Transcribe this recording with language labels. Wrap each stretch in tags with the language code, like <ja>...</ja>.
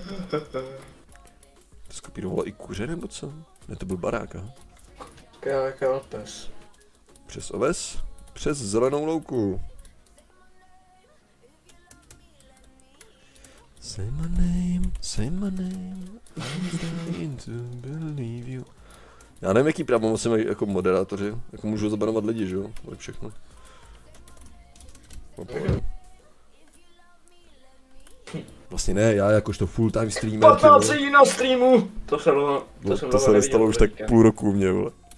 <cs>To skopírovalo i kuře nebo co? Ne, to byl barák, aha. Jaká pes. Přes oves, přes zelenou louku.</cs> <en>Say my name, I don't believe you.</en> <cs>Já nevím, jaký právě musím jako moderátoři, jako můžu zabanovat lidi, že jo, ale všechno. Vlastně ne, já jakožto full time streamer. 15 lidí na streamu! To se bylo, to se nestalo už tak půl roku u mě, vole.</cs>